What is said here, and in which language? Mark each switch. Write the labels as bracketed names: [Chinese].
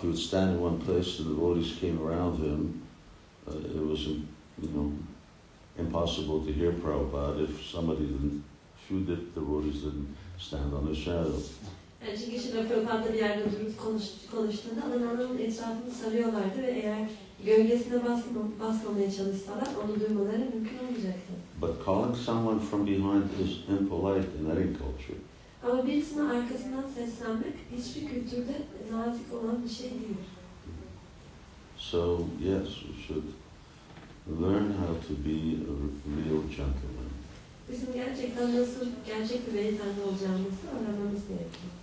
[English] He would stand in one place, and the devotees came around him. It was, you know, impossible to hear Prabhupada if somebody didn't, the devotees didn't stand on his shadow. [Turkish] Yani çünkü şimdi Prabhupada bir yerde durup konuştuğunda adamların etrafını sarıyorlardı ve eğer gölgesine basmamaya çalışsalar onu duymaları mümkün olmayacaktı. [English] But calling someone from behind is impolite in any culture. [Turkish] Ama birisine arkasından seslenmek hiçbir kültürde nazik olan bir şey değil. [English] So, yes, we should learn how to be a real gentleman. [Turkish] Bizim gerçekten nasıl gerçek bir beyefendi olacağımızı öğrenmemiz gerekiyor.